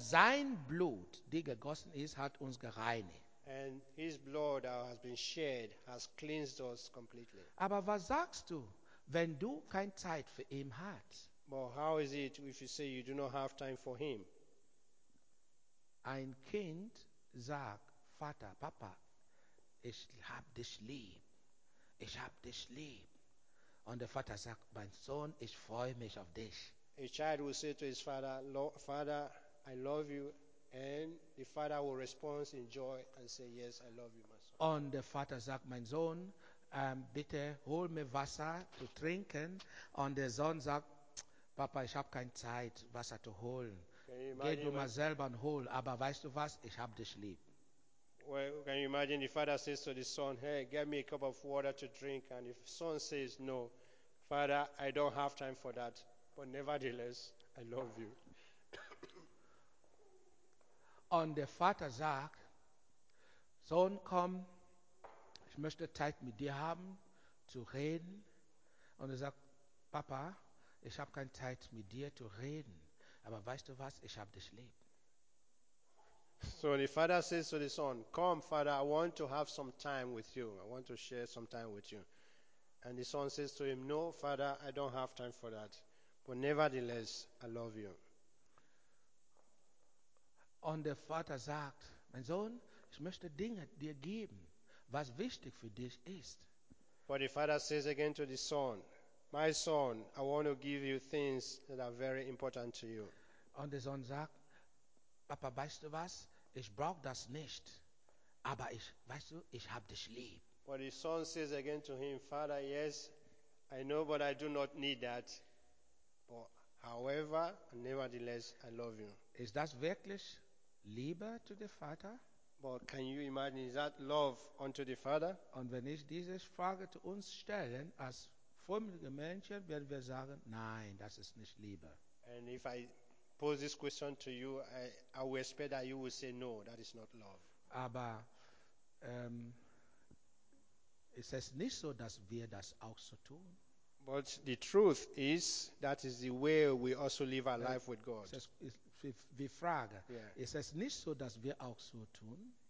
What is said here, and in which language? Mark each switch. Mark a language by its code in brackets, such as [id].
[de] Sein Blut, die gegossen ist, hat uns gereinigt. [en] And his blood that has been shed has cleansed us completely. [de] Aber was sagst du, wenn du kein Zeit für ihn hast? [en] But how is it if you say you do not have time for him? [de] Ein Kind sagt, Vater, Papa, ich hab dich lieb. Ich hab dich lieb. Und der Vater sagt, mein Sohn, ich freue mich auf dich. [en] A child will say to his father, Father, I love you. And the father will respond in joy and say, yes, I love you, my son. [de] Und der Vater sagt, mein Sohn, bitte hol mir Wasser zu trinken. Und der Sohn sagt, Papa, ich habe keine Zeit, Wasser zu holen. Geh du mal selber und hol. Aber weißt du was? Ich habe dich lieb. [en] Well, can you imagine the father says to the son, hey, get me a cup of water to drink. And the son says, no, Father, I don't have time for that. But nevertheless, I love you. [de] Und der Vater sagt, Sohn, komm, ich möchte Zeit mit dir haben, zu reden. Und er sagt, Papa, ich habe keine Zeit mit dir zu reden, aber weißt du was, ich habe dich lieb. [en] So the father says to the son, come, Father, I want to have some time with you. I want to share some time with you. And the son says to him, no, Father, I don't have time for that. But nevertheless, I love you. [de] Und der Vater sagt, mein Sohn, ich möchte Dinge dir geben, was wichtig für dich ist. [en] But the father says again to the son, my son, I want to give you things that are very important to you. [de] Und der Sohn sagt, Papa, weißt du was? Ich brauche das nicht, aber ich, weißt du, ich habe dich lieb. [en] But the son says again to him, Father, yes, I know, but I do not need that. However, nevertheless, I love you. [de] Ist das wirklich Liebe zu dem Vater? [en] But can you imagine, is that love unto the Father? [de] Und wenn ich diese Frage zu uns stellen, als frommige Menschen, werden wir sagen, nein, das ist nicht Liebe. [en] And if I pose this question to you, I will expect that you will say, no, that is not love. [de] Aber ist es nicht so, dass wir das auch so tun? [en] But the truth is, that is the way we also live our life with God. [de] Wir fragen, ist es nicht so, dass wir auch so tun?